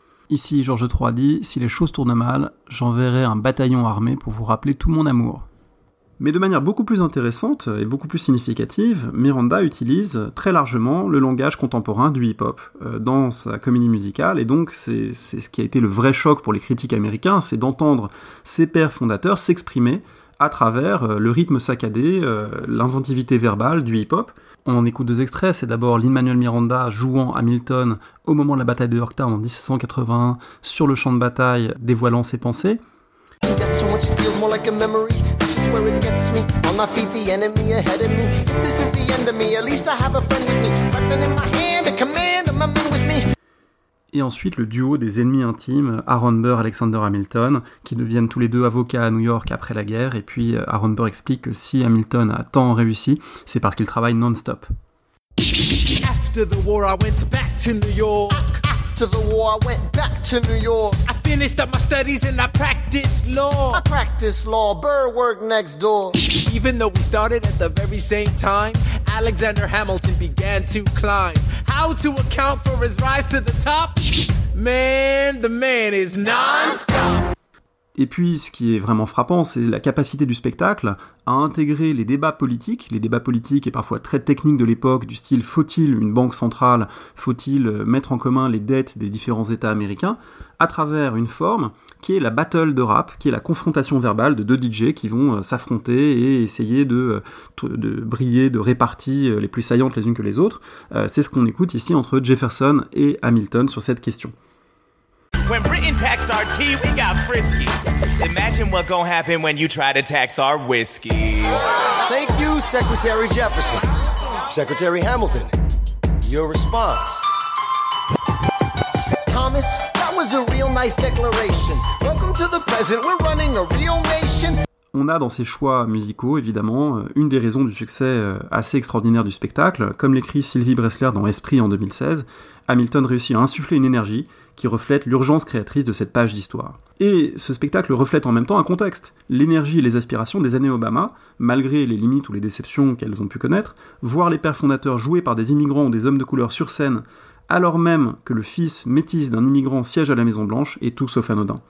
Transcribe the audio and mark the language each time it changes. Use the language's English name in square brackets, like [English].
[French] Ici, George III dit « Si les choses tournent mal, j'enverrai un bataillon armé pour vous rappeler tout mon amour. » Mais de manière beaucoup plus intéressante et beaucoup plus significative, Miranda utilise très largement le langage contemporain du hip-hop dans sa comédie musicale, et donc c'est ce qui a été le vrai choc pour les critiques américains, c'est d'entendre ses pères fondateurs s'exprimer à travers le rythme saccadé, l'inventivité verbale du hip-hop. On en écoute deux extraits, c'est d'abord Lin-Manuel Miranda jouant Hamilton au moment de la bataille de Yorktown en 1781 sur le champ de bataille dévoilant ses pensées. [English] That's so much, it feels more like a memory. This is where it gets me. On my feet, the enemy ahead of me. If this is the end of me, at least I have a friend with me. Weapon in my hand, a command of my men with me. [French] Et ensuite, le duo des ennemis intimes, Aaron Burr et Alexander Hamilton, qui deviennent tous les deux avocats à New York après la guerre, et puis Aaron Burr explique que si Hamilton a tant réussi, c'est parce qu'il travaille non-stop. [English] After the war, I went back to New York. After the war, I went back to New York. I finished up my studies and I practiced law. I practiced law, Burr worked next door. Even though we started at the very same time, Alexander Hamilton began to climb. How to account for his rise to the top? Man, the man is non-stop. [French] Et puis, ce qui est vraiment frappant, c'est la capacité du spectacle à intégrer les débats politiques et parfois très techniques de l'époque, du style faut-il une banque centrale, faut-il mettre en commun les dettes des différents États américains, à travers une forme qui est la battle de rap, qui est la confrontation verbale de deux DJ qui vont s'affronter et essayer de briller, de répartir les plus saillantes les unes que les autres. C'est ce qu'on écoute ici entre Jefferson et Hamilton sur cette question. [English] When Britain taxed our tea, we got frisky. Imagine what gonna happen when you try to tax our whiskey. Thank you, Secretary Jefferson. Secretary Hamilton, your response. Thomas, that was a real nice declaration. Welcome to the present, we're running a real nation. [French] On a dans ses choix musicaux, évidemment, une des raisons du succès assez extraordinaire du spectacle. Comme l'écrit Sylvie Bressler dans Esprit en 2016, Hamilton réussit à insuffler une énergie qui reflète l'urgence créatrice de cette page d'histoire. Et ce spectacle reflète en même temps un contexte. L'énergie et les aspirations des années Obama, malgré les limites ou les déceptions qu'elles ont pu connaître, voir les pères fondateurs joués par des immigrants ou des hommes de couleur sur scène, alors même que le fils métis d'un immigrant siège à la Maison Blanche, est tout sauf anodin.